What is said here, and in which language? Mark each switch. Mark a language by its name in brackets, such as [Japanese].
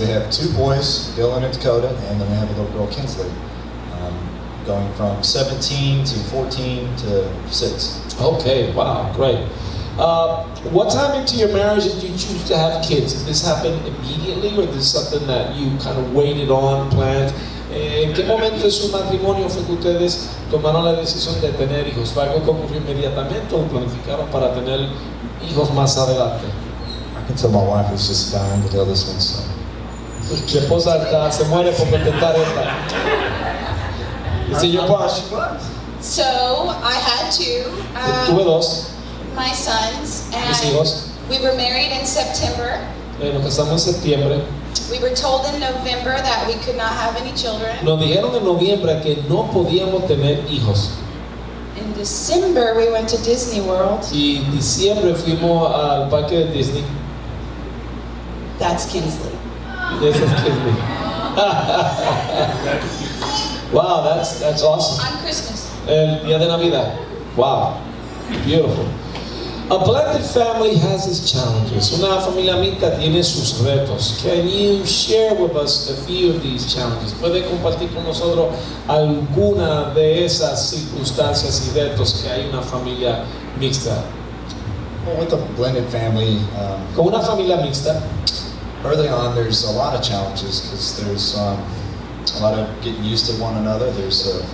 [English] We have 2 boys, Dylan and Dakota, and then we have a little girl, Kinsley, going from 17 to 14 to 6. Okay, wow, great. What time into your marriage did you choose to have kids? Did this happen immediately, or is this something that you kind of waited on, planned? [Spanish] ¿En qué momento de su matrimonio fue que ustedes tomaron la decisión de tener hijos? ¿Fue algo que ocurrió inmediatamente o planificaron para tener hijos más adelante? [English] I can tell my wife is just dying to tell this one, so. [Spanish] Mi esposa se muere por intentar esta. Señor Pash. [English] So, I had 2. [Spanish] Tuve 2. [English] My sons, and [Spanish] mis hijos. [English] We were married in September. [Spanish] Nos casamos en septiembre. [English] We were told in November that we could not have any children. [Spanish] Nos dijeron en noviembre que no podíamos tener hijos. [English] In December we went to Disney World. [Spanish] Y en diciembre fuimos al parque de Disney. [English] That's Kinsley. This is Kinsley. Wow, that's awesome. On Christmas. [Spanish] El día de Navidad. [English] Wow, beautiful. A blended family has its challenges. [Spanish] Una familia mixta tiene sus retos. [English] Can you share with us a few of these challenges? [Spanish] ¿Puede compartir con nosotros alguna de esas circunstancias y retos que hay una familia mixta? [English] Well, with a blended family, [Spanish] con una familia mixta, [English] early on there's a lot of challenges because there's a lot of getting used to one another. There's a.